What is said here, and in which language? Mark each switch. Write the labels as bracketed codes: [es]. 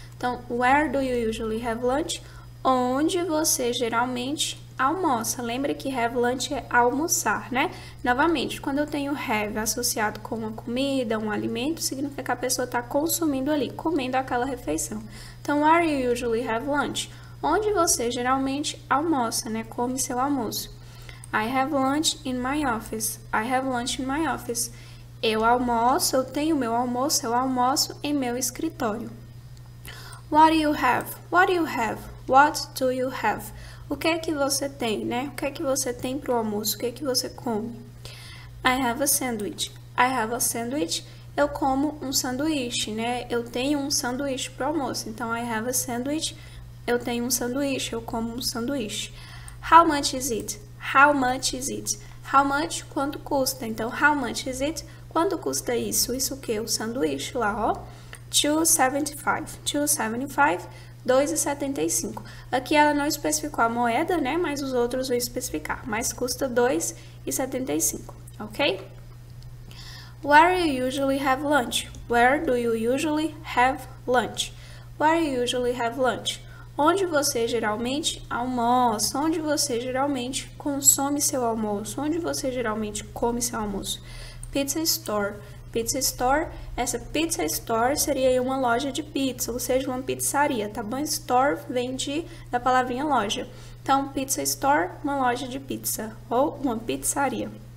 [pt] Então, [en] where do you usually have lunch? [pt] Onde você geralmente almoça. Lembra que [en] have lunch [pt] é almoçar, né? Novamente, quando eu tenho have associado com uma comida, um alimento, significa que a pessoa está consumindo ali, comendo aquela refeição. [en] Então, where do you usually have lunch? [pt] Onde você geralmente almoça, né? Come seu almoço. [en] I have lunch in my office. I have lunch in my office. [pt] Eu almoço, eu tenho meu almoço, eu almoço em meu escritório. [en] What do you have? What do you have? What do you have? [pt] O que é que você tem, né? O que é que você tem para o almoço? O que é que você come? [en] I have a sandwich. I have a sandwich. [pt] Eu como um sanduíche, né? Eu tenho um sanduíche para o almoço. Então, [en] I have a sandwich. [pt] Eu tenho um sanduíche, eu como um sanduíche. [en] How much is it? How much is it? How much, [pt] quanto custa? Então, [en] how much is it? [pt] Quanto custa isso? Isso o quê? O sanduíche lá, ó. $2.75. [en] $2.75. [pt] Aqui ela não especificou a moeda, né? Mas os outros vão especificar. Mas custa $2.75, ok? [en] Where do you usually have lunch? Where do you usually have lunch? Where do you usually have lunch? [pt] Onde você geralmente almoça? Onde você geralmente consome seu almoço? Onde você geralmente come seu almoço? [en] Pizza store. Pizza store. [pt] Essa pizza store seria aí uma loja de pizza, ou seja, uma pizzaria, tá bom? Store vem da palavrinha loja. Então, pizza store, uma loja de pizza ou uma pizzaria.